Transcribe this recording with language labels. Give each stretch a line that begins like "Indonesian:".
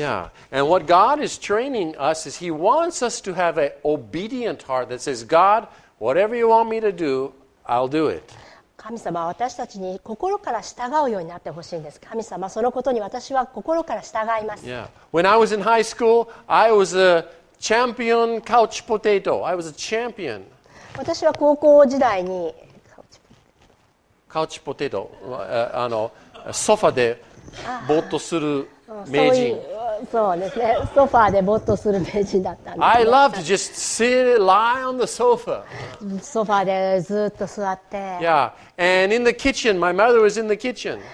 English: Yeah. And what God is training us is He wants us to have an obedient heart that says, God, whatever you want me to do, I'll do it.
Japanese: 神様は私たちに心から従うようになってほしいんです。神様、そのことに私は心から従います。 Yeah.
English: When I was in high school, I was a champion couch potato. I was a champion.
Japanese: 私は高校時代にカウチポテト、あのソファでぼーっとする名人。そうですね。ソファでぼーっとする名人だったんです、ね。
English: I love to just sit, lie on the sofa.
Japanese: ソファでずっと座って。 Yeah.
English: And in the kitchen, my mother was in the kitchen.